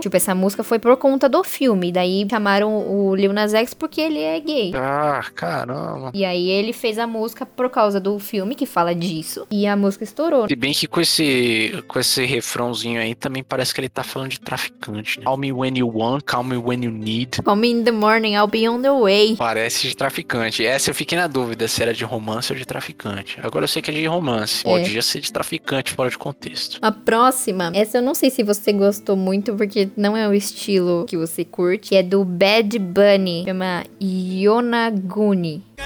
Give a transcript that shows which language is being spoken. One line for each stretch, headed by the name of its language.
Portuguese: Tipo, essa música foi por conta do filme. Daí chamaram o Lil Nas X porque ele é gay. Ah, caramba. E aí ele fez a música por causa do filme que fala disso. E a música estourou. Se bem que com esse refrãozinho aí, também parece que ele tá falando de traficante, né?
English: Call me when you want, call me when you need. Call me in the morning, I'll be on the way.
Portuguese: Parece de traficante. Essa eu fiquei na dúvida se era de romance ou de traficante. Agora eu sei que é de romance. Pode já ser de traficante, fora de contexto. A próxima, essa eu não sei se você gostou muito, porque não é o estilo que você curte, é do Bad Bunny, chama Yonaguni.